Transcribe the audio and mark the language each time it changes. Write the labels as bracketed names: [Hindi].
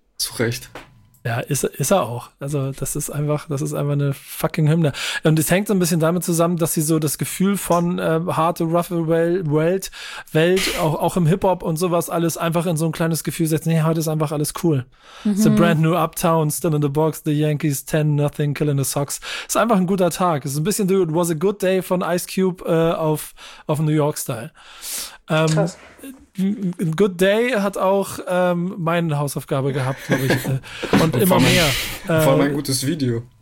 [German] zu Recht. Ja, ist er auch. Also das ist einfach eine fucking Hymne. Und es hängt so ein bisschen damit zusammen, dass sie so das Gefühl von harte, rough Welt, auch im Hip-Hop und sowas alles einfach in so ein kleines Gefühl setzt. Nee, heute ist einfach alles cool. [English] It's a brand new Uptown, still in the box, the Yankees 10-0, killing the Sox. [German] Ist einfach ein guter Tag. Ist ein bisschen It Was a Good Day von Ice Cube auf New York-Style. Krass. Good Day hat auch meine Hausaufgabe gehabt, glaube ich. Und immer mehr. Vor allem ein gutes Video.